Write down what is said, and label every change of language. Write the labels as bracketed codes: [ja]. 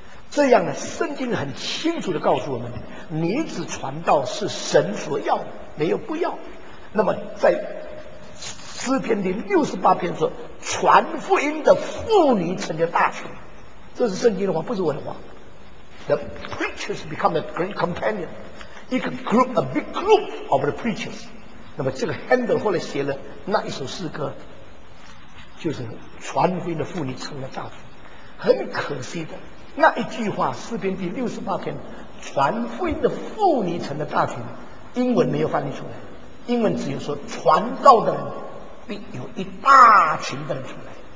[zh] 这样呢，圣经很清楚地告诉我们，女子传道是神所要的，没有不要。那么在诗篇第68篇说，传福音的妇女成了大权，这是圣经的话，不是我的话。 [en] The preachers become a great companion, a group, a big group of the preachers。 [zh] 那么这个 Handel 后来写了那一首诗歌，就是传福音的妇女成了大权。很可惜的，那一句话诗篇第68篇传福音的妇女成了大权，英文没有翻译出来，英文只有说传道的人必有一大群的人出来。